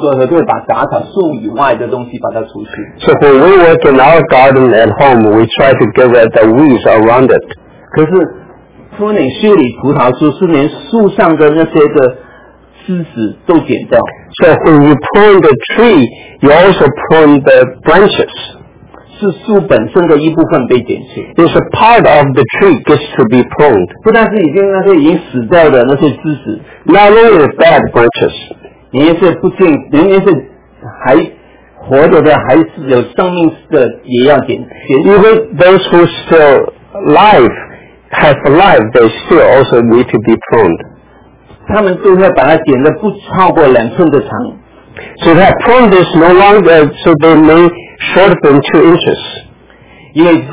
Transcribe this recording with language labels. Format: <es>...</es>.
<zh>对，我们现在在家里面的后院里面工作的时候，会把杂草树以外的东西把它除去。</zh> <en>So when we work in our garden at home, we try to get rid of the weeds around it.</en> <zh>可是，pruning修理葡萄树是连树上的那些的枝子都剪掉。</zh> <en>So when you prune the tree, you also prune the branches.</en> <zh>是树本身的一部分被剪去。</zh> <en>It's a part of the tree gets to be pruned.</en> <zh>不但是已经那些已经死掉的那些枝子。</zh> <en>Not only the bad branches.</en> <zh>连那些不净，连那些还。活着的还是有生命的，也要剪。</zh> <en>Even those who still live have life, they still also need to be pruned.</en> <zh>他们都要把它剪得不超过两寸的长。</zh> <en>So that pruned is no longer so they may shorten 2 inches.</en>